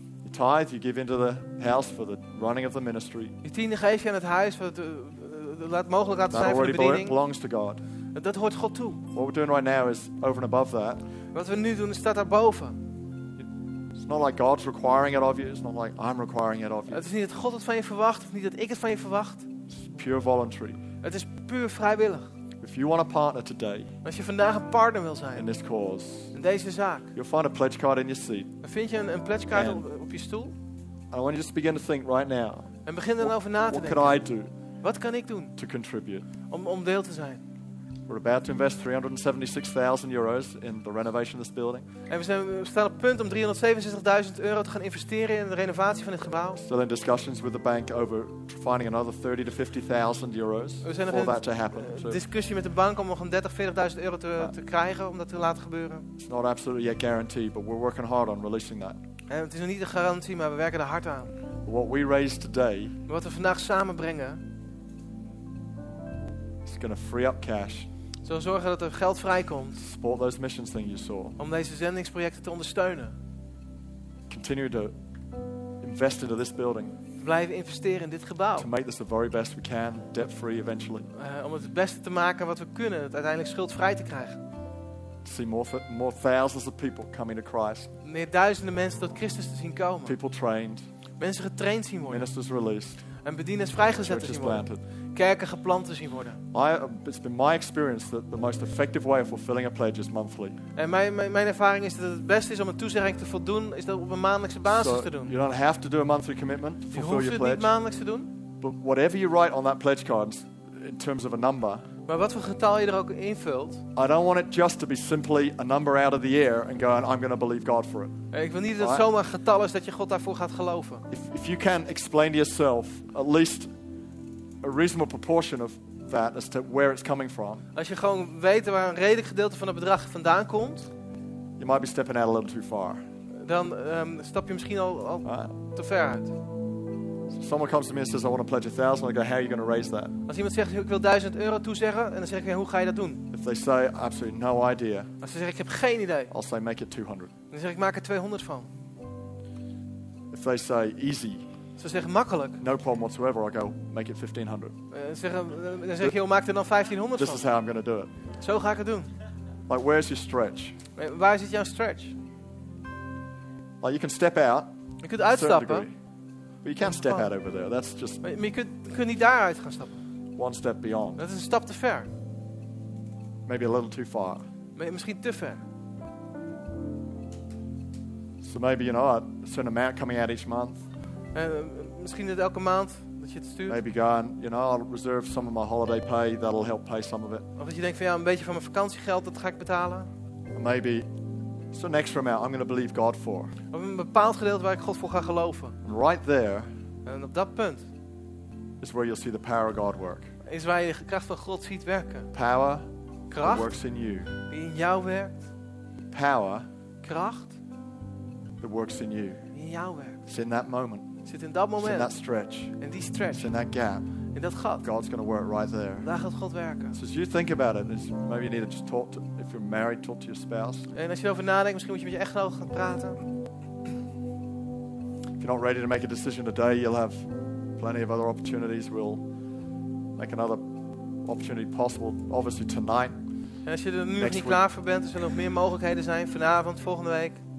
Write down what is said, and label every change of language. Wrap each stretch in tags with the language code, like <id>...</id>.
<en>Tithe, you give into the house for the running of the ministry.</en> <nl>Je tiende geef je aan het huis voor het laat mogelijk laten zijn voor de bediening.</nl> <en>That belongs to God.</en> <nl>Dat hoort God toe.</nl> <en>What we're doing right now is over and above that.</en> <nl>Wat we nu doen is staat daarboven.</nl> <en>It's not like God's requiring it of you. It's not like I'm requiring it of you.</en> <nl>Het is niet dat God het van je verwacht of niet dat ik het van je verwacht.</nl> <en>It's pure voluntary.</en> <nl>Het is puur vrijwillig.</nl> <en>If you want a partner today,</en> <nl>als je vandaag een partner wil zijn</nl> <en>in this cause,</en> <nl>in deze zaak,</nl> <en>you'll find a pledge card in your seat.</en> <nl>Dan vind je een pledge card op je stoel.</nl> <en>I want you to begin to think right now.</en> <nl>En begin dan over na te denken.</nl> <en>What can I do?</en> <nl>Wat kan ik doen?</nl> <en>To contribute.</en> <nl>Om deel te zijn.</nl> <en>We're about to invest 376,000 euros in the renovation of this building.</en> <nl>En we staan op punt om 367.000 euro te gaan investeren in de renovatie van dit gebouw.</nl> <en>Still in discussions with the bank over finding another 30,000 to 50,000 euros for that to happen.</en> <nl>We zijn in discussie met de bank om nog een 30,000 to 40,000 euro te krijgen om dat te laten gebeuren.</nl> <en>It's not absolutely a guarantee, but we're working hard on releasing that.</en> <nl>En het is nog niet een garantie, maar we werken er hard aan.</nl> <en>What we raise today.</en> <nl>Wat we vandaag samenbrengen.</nl> <en>It's going to free up cash.</en> <nl>Zo zorgen dat er geld vrijkomt.</nl> <en>Support those missions thing you saw.</en> <nl>Om deze zendingsprojecten te ondersteunen.</nl> <en>Continue to invest into this building.</en> <nl>Blijven investeren in dit gebouw.</nl> <en>To make this the very best we can, debt free eventually.</en> <nl>Om het beste te maken wat we kunnen, het uiteindelijk schuldvrij te krijgen.</nl> <en>see more thousands of people coming to Christ.</en> <nl>Meer duizenden mensen tot Christus te zien komen.</nl> <en>People trained.</en> <nl>Mensen getraind zien worden.</nl> <en>Ministers released.</en> <nl>En bedieners vrijgezet zien worden. Kerken geplant te zien worden.</nl> <en>It's been my experience that the most effective way of fulfilling a pledge is monthly.</en> <nl>En mijn ervaring is dat het beste is om een toezegging te voldoen is dat op een maandelijkse basis te doen.</nl> <en>You don't have to do a monthly commitment to fulfill your pledge.</en> <nl>Je hoeft het niet maandelijks te doen.</nl> <en>But whatever you write on that pledge card, in terms of a number.</en> <nl>Maar wat voor getal je er ook invult.</nl> <en>I don't want it just to be simply a number out of the air and going, I'm going to believe God for it.</en> <nl>Ik wil niet dat het zomaar getal is dat je God daarvoor gaat geloven.</nl> <en>If you can explain to yourself at least a reasonable proportion of that as to where it's coming from.</en> <nl>Als je gewoon weet waar een redelijk gedeelte van het bedrag vandaan komt.</nl> <en>You might be stepping out a little too far.</en> <nl>Dan stap je misschien al te ver uit.</nl> <en>Someone comes to me and says, I want to pledge 1,000. I go, how are you going to raise that?</en> <nl>Als iemand zegt, ik wil 1,000 euro toezeggen, en dan zeg ik, hoe ga je dat doen?</nl> <en>If they say, absolutely no idea.</en> <nl>Als ze zeggen, ik heb geen idee.</nl> <en>I'll say, make it 200.</en> <nl>Dan zeg ik, maak er 200 van.</nl> <en>If they say, easy.</en> <nl>Ze zeggen, makkelijk.</nl> <en>No problem whatsoever. I go, make it 1,500.</en> <nl>Dan zeg ik, maak er dan 1,500 van.</nl> <en>This is how I'm going to do it.</en> <nl>Zo ga ik het doen.</nl> <en>Like, where's your stretch?</en> <nl>Waar zit jouw stretch?</nl> <en>Like, you can step out.</en> <nl>Je kunt uitstappen.</nl> <en>But you can't step out over there. That's just.</en> <nl>Maar je kunt niet daaruit gaan stappen.</nl> <en>One step beyond.</en> <nl>Dat is een stap te ver.</nl> <en>Maybe a little too far.</en> <nl>Misschien te ver.</nl> <en>So maybe you know, a certain amount coming out each month.</en> <nl>Misschien dat elke maand dat je het stuurt.</nl> <en>Maybe going, you know, I'll reserve some of my holiday pay. That'll help pay some of it.</en> <nl>Of dat je denkt van ja, een beetje van mijn vakantiegeld dat ga ik betalen.</nl> <en>Or maybe. So next from out, I'm going to believe God for.</en> <nl>Op een bepaald gedeelte waar ik God voor ga geloven.</nl> <en>And right there.</en> <nl>En op dat punt.</nl> <en>Is where you'll see the power of God work.</en> <nl>Is waar je de kracht van God ziet werken.</nl> <en>Power.</en> <nl>Kracht.</nl> <en>That works in you.</en> <nl>Die in jou werkt.</nl> <en>Power.</en> <nl>Kracht.</nl> <en>That works in you.</en> <nl>Die in jou werkt.</nl> <en>It's in that moment.</en> <nl>Zit in dat moment.</nl> <en>It's in that stretch.</en> <nl>In die stretch.</nl> <en>It's in that gap.</en> <nl>In dat gat.</nl> <en>God's going to work right there.</en> <nl>Daar gaat God werken.</nl> <en>So as you think about it, maybe you need to just talk to. If you're married, talk to your spouse.</en> <nl>En als je erover nadenkt, misschien moet je met je echtgenoot gaan praten.</nl> <en>If you're not ready to make a decision today, you'll have plenty of other opportunities. We'll make another opportunity possible, obviously tonight.</en> <nl>En als je er nu nog niet klaar voor bent, er zullen nog meer mogelijkheden zijn vanavond, volgende week.</nl>